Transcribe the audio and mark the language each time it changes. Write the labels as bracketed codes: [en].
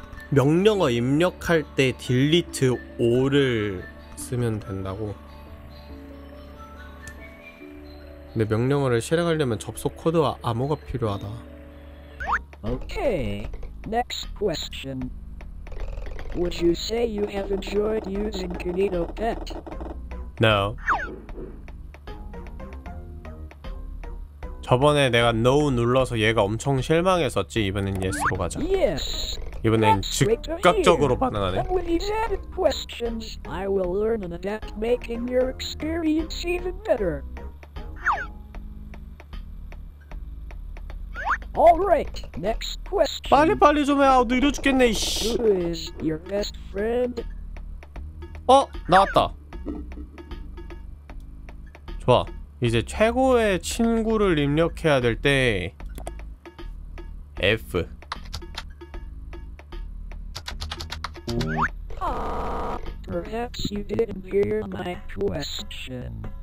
[ko] 명령어 입력할 때 딜리트 올을 쓰면 된다고? 근데 명령어를 실행하려면 접속 코드와 암호가 필요하다. [en] 오케이. Next question. Would you say you have enjoyed using Kanito Pet? No. [ko] 저번에 내가 No 눌러서 얘가 엄청 실망했었지. 이번엔 Yes로 가자. [en] Yes. [ko] 이번엔 즉각적으로 반응하네. [en] And when he's added questions, I will learn and adapt, making your experience even better. All right, next question. [ko] 빨리 빨리 좀 해, 아우 느려 죽겠네. [en] 씨. Who is your best friend? [ko] 어, 나왔다. 좋아. 이제 최고의 친구를 입력해야 될 때 F. [en] 아, perhaps you didn't hear my question.